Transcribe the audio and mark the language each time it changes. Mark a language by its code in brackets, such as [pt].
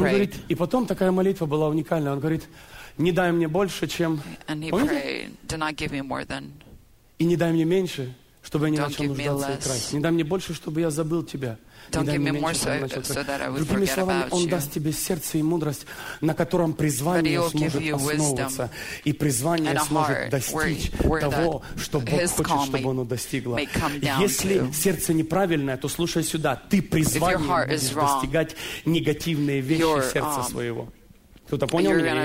[ru] Говорит, и потом такая молитва была уникальная. Он говорит, не дай мне больше, чем... [en] And he prayed, do not give me more than... [ru] И не дай мне меньше, чтобы я не начал нуждаться и красть. Не дай мне больше, чтобы я забыл тебя. [en] Don't give me more so that I would forget about you. [ru] Другими словами, Он даст тебе сердце и мудрость, на котором призвание сможет основываться, и призвание сможет достичь того, что Бог хочет, чтобы оно достигло. Если сердце неправильное, то слушай сюда, ты призванием будешь достигать негативные вещи сердца своего. Кто-то понял меня?